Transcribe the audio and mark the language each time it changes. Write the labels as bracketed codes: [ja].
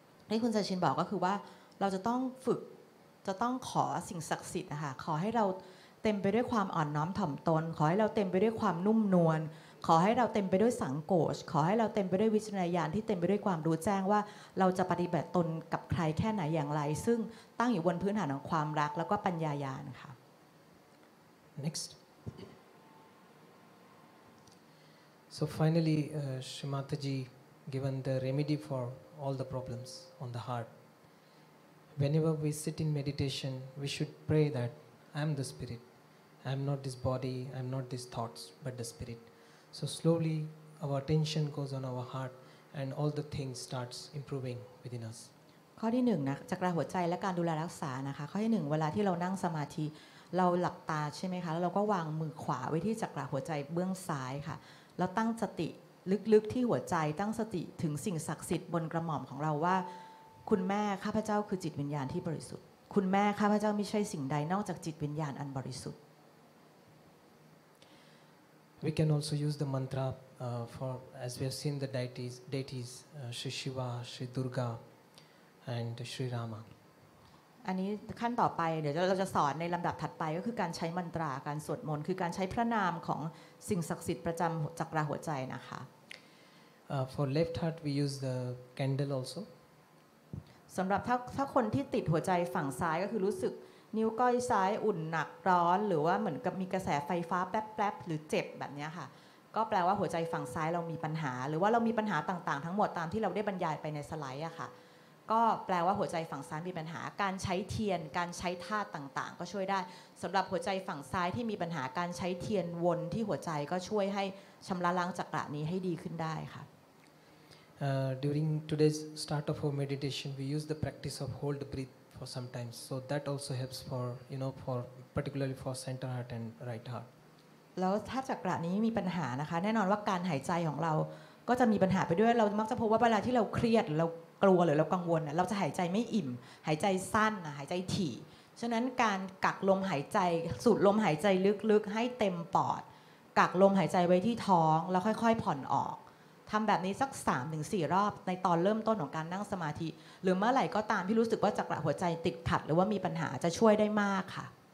[th] ที่คุณซาชินบอกก็คือว่าเราจะต้องฝึกจะต้องขอสิ่งศักดิ์สิทธิ์นะคะขอให้เราเต็มไปด้วยความอ่อนน้อมถ่อมตนขอให้เราเต็มไปด้วยความนุ่มนวลขอให้เราเต็มไปด้วยสังโกชขอให้เราเต็มไปด้วยวิจารณญาณที่เต็มไปด้วยความรู้แจ้งว่าเราจะปฏิบัติตนกับใครแค่ไหนอย่างไรซึ่งตั้งอยู่บนพื้นฐานของความรักแล้วก็ปัญญาญาณค่ะ [en] Next So finally Srimataji given the remedy for all the problems on the heart Whenever we sit in meditation we should pray that I am the spirit I am not this body, I am not these thoughts, but the spirit. So slowly our attention goes on our heart and all the things starts improving within us. [th] ข้อที่หนึ่งนะจักระหัวใจและการดูแลรักษานะคะข้อที่หนึ่งเวลาที่เรานั่งสมาธิเราหลับตาใช่ไหมคะแล้วเราก็วางมือขวาไว้ที่จักระหัวใจเบื้องซ้ายค่ะเราตั้งสติลึกๆที่หัวใจตั้งสติถึงสิ่งศักดิ์สิทธิ์บนกระหม่อมของเราว่าคุณแม่ข้าพเจ้าคือจิตวิญญาณที่บริสุทธิ์คุณแม่ข้าพเจ้าไม่ใช่สิ่งใดนอกจากจิตวิญญาณอันบริสุทธิ์ [en] We can also use the mantra for, as we have seen the deities, Shri Shiva, Shri Durga, and Shri Rama. [th] อันนี้ขั้นต่อไปเดี๋ยวเราจะสอนในลำดับถัดไปก็คือการใช้มันตราการสวดมนต์คือการใช้พระนามของสิ่งศักดิ์สิทธิ์ประจำจักระหัวใจนะคะ [en] For left heart, we use the candle also. [th] สำหรับถ้าคนที่ติดหัวใจฝั่งซ้ายก็คือรู้สึกนิ้วก้อยซ้ายอุ่นหนักร้อนหรือว่าเหมือนกับมีกระแสไฟฟ้าแป๊บๆหรือเจ็บแบบนี้ค่ะก็แปลว่าหัวใจฝั่งซ้ายเรามีปัญหาหรือว่าเรามีปัญหาต่างๆทั้งหมดตามที่เราได้บรรยายไปในสไลด์อะค่ะก็แปลว่าหัวใจฝั่งซ้ายมีปัญหาการใช้เทียนการใช้ธาตุต่างๆก็ช่วยได้สำหรับหัวใจฝั่งซ้ายที่มีปัญหาการใช้เทียนวนที่หัวใจก็ช่วยให้ชำระล้างจักระนี้ให้ดีขึ้นได้ค่ะ [en] During today's start of our meditation we use the practice of hold breathFor sometimes, so that also helps for you know for particularly for center heart and right heart. [th] แล้วถ้าจักระนี้มีปัญหานะคะแน่นอนว่าการหายใจของเราก็จะมีปัญหาไปด้วยเรามักจะพบว่าเวลาที่เราเครียดเรากลัวหรือเรากังวลเราจะหายใจไม่อิ่มหายใจสั้นหายใจถี่ฉะนั้นการกักลมหายใจสูดลมหายใจลึกๆให้เต็มปอดกักลมหายใจไว้ที่ท้องแล้วค่อยๆผ่อนออกทำแบบนี้สัก 3-4 รอบในตอนเริ่มต้นของการนั่งสมาธิหรือเมื่อไหร่ก็ตามที่รู้สึกว่าจักระหัวใจติดขัดหรือว่ามีปัญหาจะช่วยได้มากค่ะ